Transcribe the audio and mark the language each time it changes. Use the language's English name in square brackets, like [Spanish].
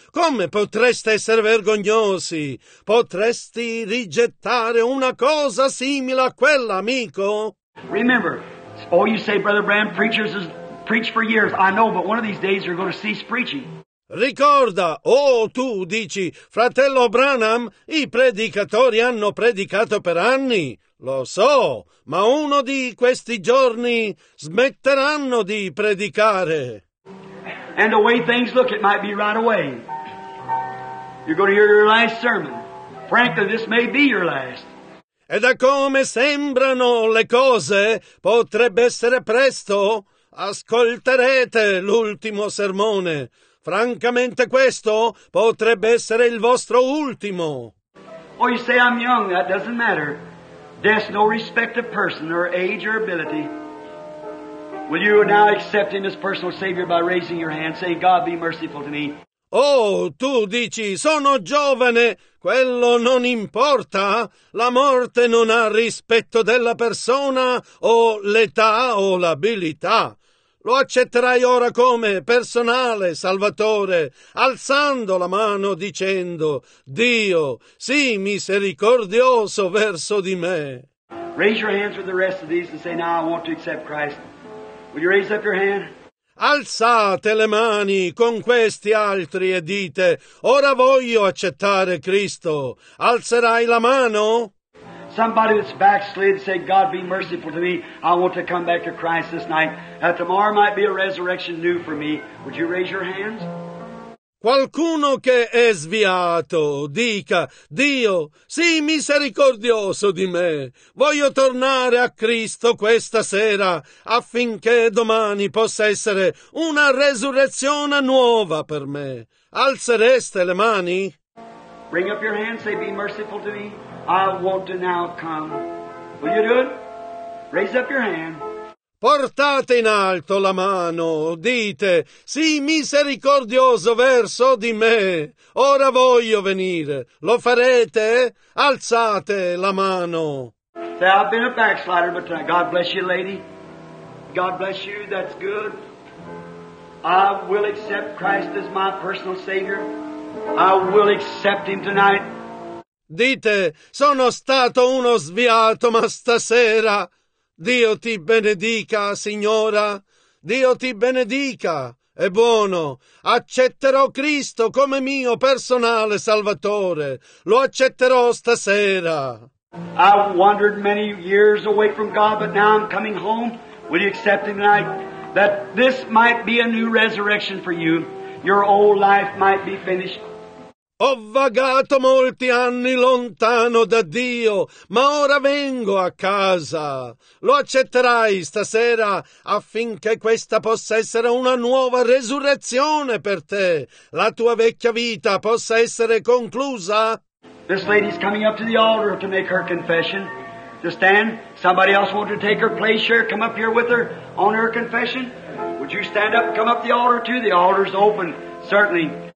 [Italian] Come potreste essere vergognosi? Potresti rigettare una cosa simile a quella, amico? [English] Remember, all you say, Brother Branham, preachers preach for years. I know, but one of these days you're going to cease preaching. [Italian] Ricorda, oh, tu dici, fratello Branham, i predicatori hanno predicato per anni. Lo so, ma uno di questi giorni smetteranno di predicare. [English] And the way things look, it might be right away. You're going to hear your last sermon. Frankly, this may be your last. [Italian] E da come sembrano le cose, potrebbe essere presto. Ascolterete l'ultimo sermone. Francamente, questo potrebbe essere il vostro ultimo. [English] Oh, you say I'm young, that doesn't matter. There's no respect of person or age or ability. Will you now accept him as personal savior by raising your hand? Say, God be merciful to me. [Italian] Oh, tu dici, sono giovane, quello non importa. La morte non ha rispetto della persona o l'età o l'abilità. Lo accetterai ora come personale salvatore, alzando la mano dicendo, Dio, sii misericordioso verso di me. [English] Raise your hands with the rest of these and say, now I want to accept Christ. Will you raise up your hand? [Italian] Alzate le mani con questi altri e dite, ora voglio accettare Cristo. Alzerai la mano? [English] Somebody that's backslid said, God be merciful to me. I want to come back to Christ this night. That tomorrow might be a resurrection new for me. Would you raise your hands? [Italian] Qualcuno che è sviato dica, Dio, sii misericordioso di me. Voglio tornare a Cristo questa sera affinché domani possa essere una resurrezione nuova per me. Alzereste le mani? [English] Bring up your hands, say, be merciful to me. I want to now come. Will you do it? Raise up your hand. [Italian] Portate in alto la mano. Dite, sii misericordioso verso di me. Ora voglio venire. Lo farete? Alzate la mano. [English] Say, I've been a backslider, but God bless you, lady. God bless you, that's good. I will accept Christ as my personal savior. I will accept him tonight. [Italian] Dite, sono stato uno sviato, ma stasera Dio ti benedica, signora. Dio ti benedica. È buono. Accetterò Cristo come mio personale salvatore. Lo accetterò stasera. [English] I wandered many years away from God, but now I'm coming home. Will you accept him tonight? That this might be a new resurrection for you. Your old life might be finished. [Italian] Ho vagato molti anni lontano da Dio, ma ora vengo a casa. Lo accetterai stasera affinché questa possa essere una nuova resurrezione per te. La tua vecchia vita possa essere conclusa. [English] This lady's coming up to the altar to make her confession. To stand. Somebody else want to take her place here. Come up here with her on her confession. Would you stand up and come up the altar too? The altar's open, certainly.